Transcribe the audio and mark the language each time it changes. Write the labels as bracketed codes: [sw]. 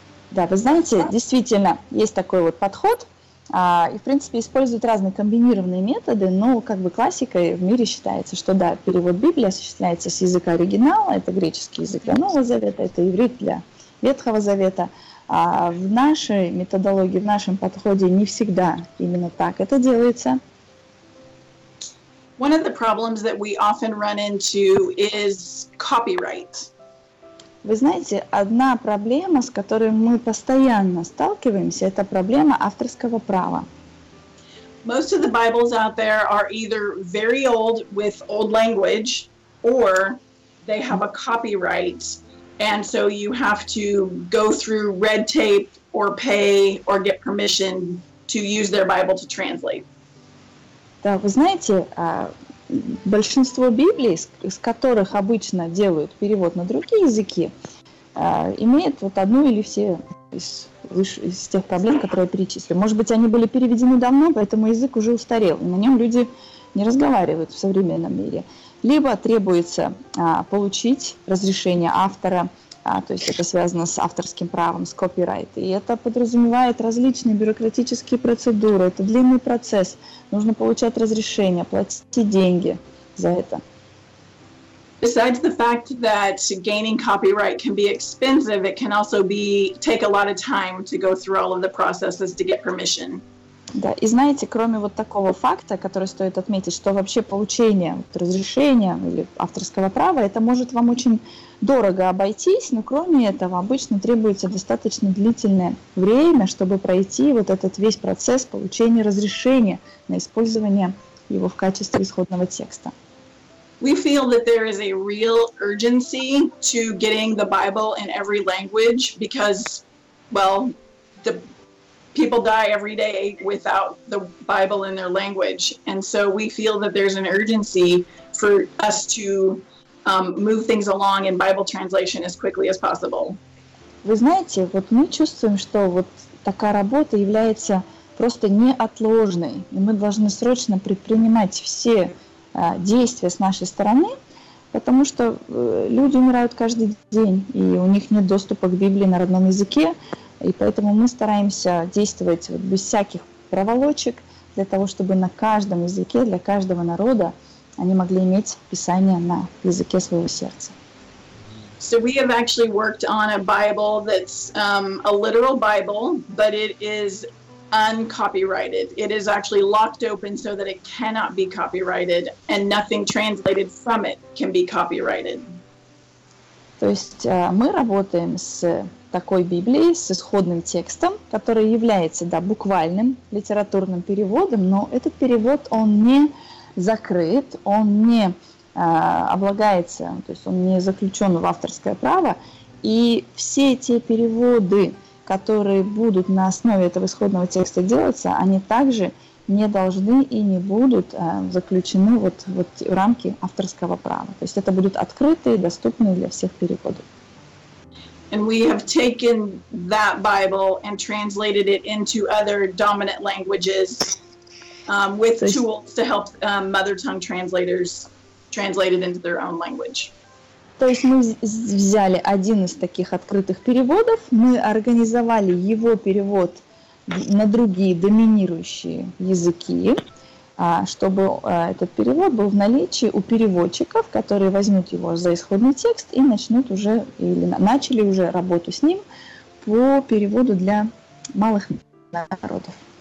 [ru] Да, вы знаете, действительно, есть такой вот подход. И, в принципе, используют разные комбинированные методы, но как бы классикой в мире считается, что да, перевод Библии осуществляется с языка оригинала, это греческий язык для Нового Завета, это иврит для Ветхого Завета. А в нашей методологии, в нашем подходе не всегда именно так это делается. [en] One of the problems that we often run into is copyright. [ru] Вы знаете, одна проблема, с которой мы постоянно сталкиваемся, это проблема авторского права. [en] Most of the Bibles out there are either very old with old language, or they have a copyright. And so you have to go through red tape or pay or get permission to use their Bible to translate. [ru] Да, вы знаете, большинство Библий, с которых обычно делают перевод на другие языки, имеют вот одну или все из тех проблем, которые я перечислила. Может быть, они были переведены давно, поэтому язык уже устарел, и на нем люди не разговаривают в современном мире. Либо требуется получить разрешение автора, то есть это связано с авторским правом, с копирайт. И это подразумевает различные бюрократические процедуры, это длинный процесс. Нужно получать разрешение, платить деньги за это. [en] Besides the fact that gaining copyright can be expensive, it can also take a lot of time to go through all of the processes to get permission. [ru] Да, и знаете, кроме вот такого факта, который стоит отметить, что вообще получение разрешения или авторского права, это может вам очень дорого обойтись, но кроме этого обычно требуется достаточно длительное время, чтобы пройти вот этот весь процесс получения разрешения на использование его в качестве исходного текста. [en] We feel that there is a real urgency to getting the Bible in every language because, well, the people die every day without the Bible in their language. And so we feel that there's an urgency for us to move things along in Bible translation as quickly as possible. [ru] Вы знаете, вот мы чувствуем, что вот такая работа является просто неотложной, и мы должны срочно предпринимать все действия с нашей стороны, потому что люди умирают каждый день, и у них нет доступа к Библии на родном языке, и поэтому мы стараемся действовать вот без всяких проволочек для того, чтобы на каждом языке, для каждого народа они могли иметь Писание на языке своего сердца. [en] So we have actually worked on a Bible that's a literal Bible, but it is uncopyrighted. It is actually locked open so that it cannot be copyrighted and nothing translated from it can be copyrighted. [ru] То есть мы работаем с такой Библией, с исходным текстом, который является, да, буквальным литературным переводом, но этот перевод, он не закрыт, он не облагается, то есть он не заключен в авторское право, и все те переводы, которые будут на основе этого исходного текста делаться, они также не должны и не будут заключены вот, вот в рамки авторского права. То есть это будут открытые, доступные для всех переводы. [en] And we have taken that Bible and translated it into other dominant languages with tools to help mother tongue translators translate it into their own language. [ru] То есть мы взяли один из таких открытых переводов, мы организовали его перевод на другие доминирующие языки, чтобы этот перевод был в наличии у переводчиков, которые возьмут его за исходный текст и начнут уже, или начали уже работу с ним по переводу для малых народов.